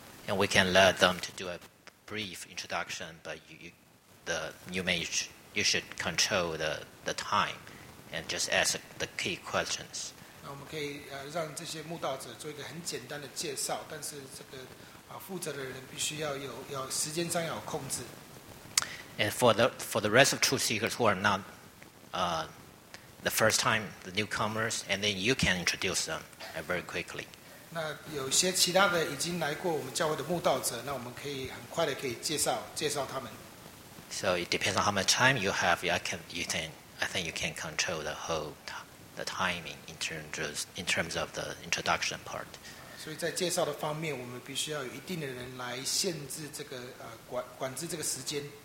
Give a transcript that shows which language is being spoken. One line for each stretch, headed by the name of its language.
English: And we can let them to do a brief introduction, but you should control the time and just ask the key questions.
Chinese: 那我们可以让这些慕道者做一个很简单的介绍，但是这个负责的人必须要有时间上要有控制。
English: And for the rest of true seekers who are not the first time, the newcomers, and then you can introduce them very quickly.
Chinese: 那有些其他的已经来过我们教会的慕道者，那我们可以很快的可以介绍他们。
English: So it depends on how much time you have. I think you can control the timing in terms of the introduction part.
Chinese: 所以在介绍的方面，我们必须要有一定的人来限制这个管制这个时间。